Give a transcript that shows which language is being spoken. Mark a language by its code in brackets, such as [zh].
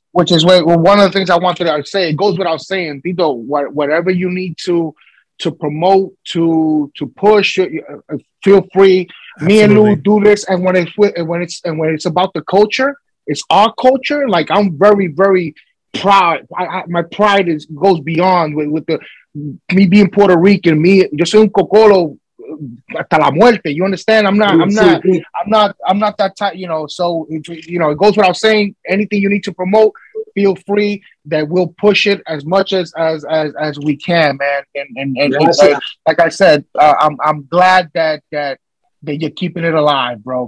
[en] Which is one of the things I wanted to say. It goes without saying, Tito, whatever you need to promote, to push, feel free. Absolutely. Me and Lou do this, and when it's about the culture, it's our culture. Like, I'm very, very proud. My pride goes beyond with the me being Puerto Rican. [es] Me, yo soy un cocolo hasta la muerte. [en] You understand? I'm not that type. You know. So you know, it goes without saying. Anything you need to promote, feel free that we'll push it as much as we can, man. Like I said, I'm glad that you're keeping it alive, bro.